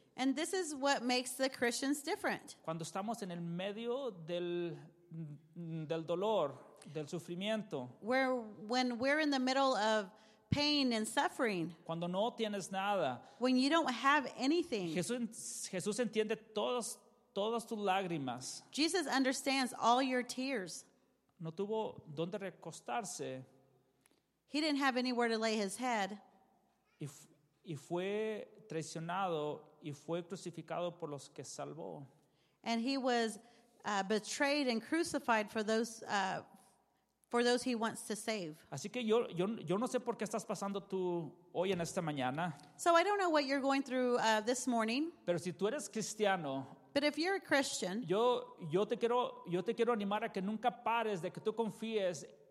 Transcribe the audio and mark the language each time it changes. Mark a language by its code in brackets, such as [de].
[en] And this is what makes the Christians different. [es] Cuando estamos en el medio del dolor, del sufrimiento. [en] When we're in the middle of pain and suffering. [es] Cuando no tienes nada. [en] When you don't have anything. [es] Jesús entiende todas tus lágrimas. [en] Jesus understands all your tears. [es] No tuvo dónde recostarse. [en] He didn't have anywhere to lay his head. [es] Y fue traicionado y fue crucificado por los que salvó. [en] And he was betrayed and crucified for those he wants to save. [es] Así que yo no sé por qué estás pasando tú hoy en esta mañana. [en] So I don't know what you're going through this morning. [es] Pero si tú eres cristiano, [en] but if you're a Christian, [es] yo te quiero animar a que nunca pares de que tú confíes